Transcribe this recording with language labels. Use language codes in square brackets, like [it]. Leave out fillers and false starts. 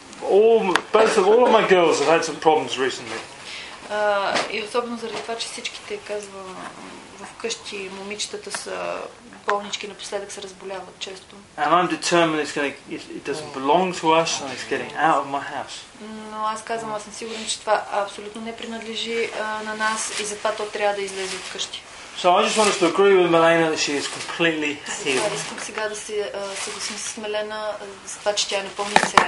[en] All of my girls have had some problems recently. [bg] И особено заради това, че всичките, казва, вкъщи момичетата са болнички, напоследък се разболяват често. [en] And I'm determined it doesn't belong to us and it's getting out of my house. [bg] Но аз казвам, аз съм сигурен, че това абсолютно не принадлежи на нас и затова то трябва да излезе от къщи. [en] So I just want us to agree with Melena that she is completely healed. [bg] Искам сега да се съгласим с Мелена, за това, че тя е напълно изцелена.